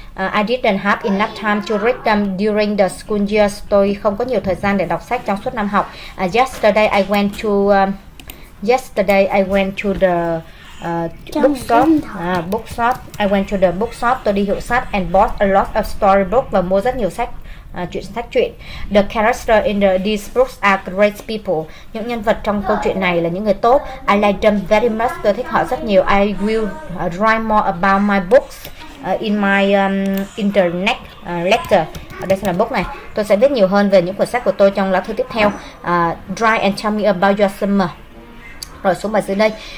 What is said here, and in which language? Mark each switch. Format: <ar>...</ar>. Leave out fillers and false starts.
<en>I didn't have enough time to read them during the school years.</en> <vi>Tôi không có nhiều thời gian để đọc sách trong suốt năm học.</vi> <en>Yesterday I went to the bookshop.</en> <vi>Tôi đi hiệu sách</vi> <en>and bought a lot of storybook</en> <vi>và mua rất nhiều sách. Chuyện.</vi> <en>The characters in these books are great people.</en> <vi>Những nhân vật trong câu chuyện này là những người tốt.</vi> <en>I like them very much.</en> <vi>Tôi thích họ rất nhiều.</vi> <en>I will write more about my books in my internet letter.</en> <vi>Ở đây sẽ là book này. Tôi sẽ viết nhiều hơn về những cuốn sách của tôi trong lá thư tiếp theo.</vi> <en>Write and tell me about your summer.</en> <vi>Rồi xuống bài dưới đây.</vi>